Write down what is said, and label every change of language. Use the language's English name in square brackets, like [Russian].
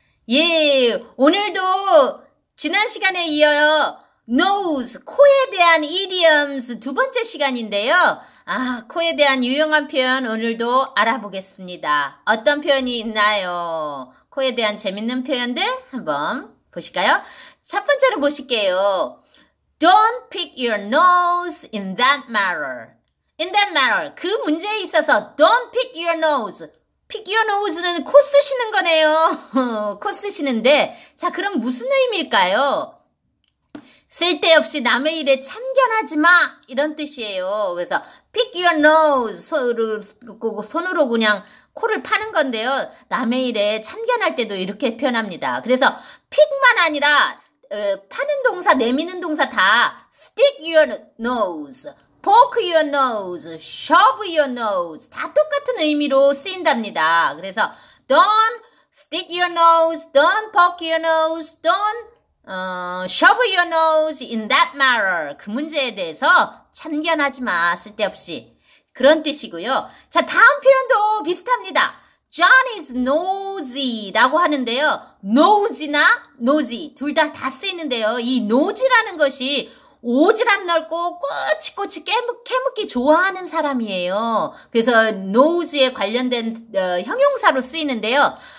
[Korean] 예, 오늘도 지난 시간에 이어요. Nose, 코에 대한 idioms 두 번째 시간인데요. 아, 코에 대한 유용한 표현 오늘도 알아보겠습니다. 어떤 표현이 있나요? 코에 대한 재밌는 표현들 한번 보실까요? 첫 번째로 보실게요. [English] Don't pick your nose in that matter. In that matter, [Korean] 그 문제에 있어서 [English] don't pick your nose. Pick your nose [Korean] 는 코 쓰시는 거네요. 코 쓰시는데, 자, 그럼 무슨 의미일까요? 쓸데없이 남의 일에 참견하지 마! 이런 뜻이에요. [English] 그래서, pick your nose! [Korean] 손으로 그냥 코를 파는 건데요. 남의 일에 참견할 때도 이렇게 표현합니다. 그래서, pick만 아니라, 파는 동사, 내미는 동사 다, [English] stick your nose, poke your nose, [Korean] shove your nose, 다 똑같은 의미로 쓰인답니다. [English] 그래서, don't stick your nose, don't poke your nose, don't shove your nose in that matter. [Korean] 그 문제에 대해서 참견하지 마, 쓸데없이. 그런 뜻이고요. 자, 다음 표현도 비슷합니다. [English] John is nosy [Korean] 라고 하는데요. nosy나 nosy 둘 다 다 쓰이는데요. 이 nosy라는 것이 오지랖 넓고 꼬치꼬치 깨묻기 좋아하는 사람이에요. 그래서 nosy에 관련된 형용사로 쓰이는데요.